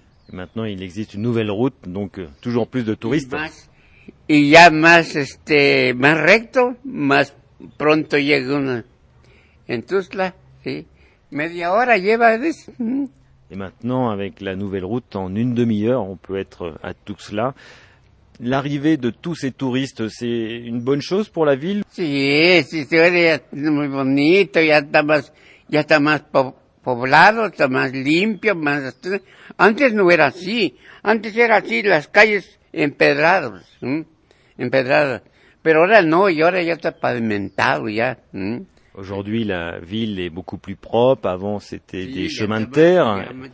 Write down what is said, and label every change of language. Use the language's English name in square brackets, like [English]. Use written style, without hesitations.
[French] Maintenant il existe une nouvelle route, donc toujours plus de touristes. [Spanish] Y ya más, más recto, más pronto llega una en Tuzla, ¿sí? Media hora lleva, ¿ves? [French] Et maintenant, avec la nouvelle route, en une demi-heure, on peut être à Tuxtla. L'arrivée de tous ces touristes, c'est une bonne chose pour la ville? [Spanish] Sí, sí, sí, c'est muy bonito, ya está más poblado, está más limpio, más... Antes no era así, antes era así, las calles empedradas, empedradas. Pero ahora no, y ahora ya está pavimentado ya, [French] Aujourd'hui, la ville est beaucoup plus propre. Avant, c'était des chemins de terre.